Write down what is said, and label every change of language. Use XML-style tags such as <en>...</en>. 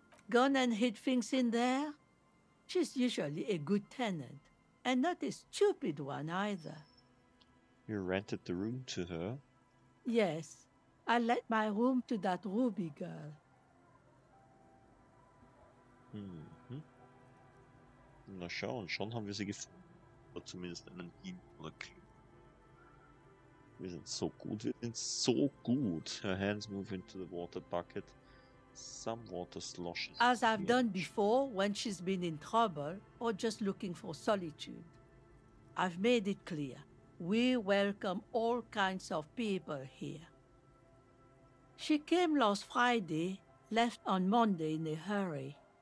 <en>Gone and hid things in there? She's usually a good tenant. And not a stupid one, either. You rented the room to her? Yes. I let my room to that Ruby girl. Mm-hmm.</en> <de>Na schau, und schon haben wir sie gefunden. Oder zumindest einen Hinblick. Wir sind so gut, wir sind so gut.</de> <en>Her hands move into the water bucket. Some water sloshes. As I've done before, when she's been in trouble or just looking for solitude. I've made it clear. We welcome all kinds of people here. She came last Friday, left on Monday in a hurry.</en>